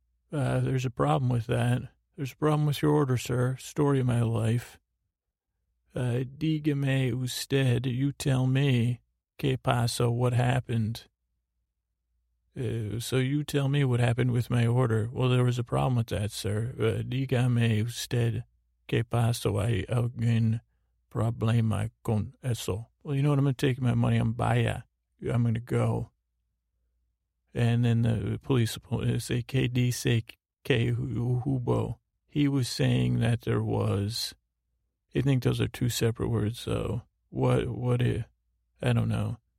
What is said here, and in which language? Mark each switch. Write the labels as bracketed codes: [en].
[en] There's a problem with that. There's a problem with your order, sir. Story of my life. [es] Dígame usted, [en] you tell me. [es] Que paso, [en] what happened? So you tell me what happened with my order. Well, there was a problem with that, sir. [es] Dígame usted que paso, hay algún problema con eso. [en] Well, you know what? I'm going to take my money. I'm vaya. I'm going to go. And then the police say, [es] que dice que hubo. [en] He was saying that there was. I think those are two separate words, though. What is? I don't know.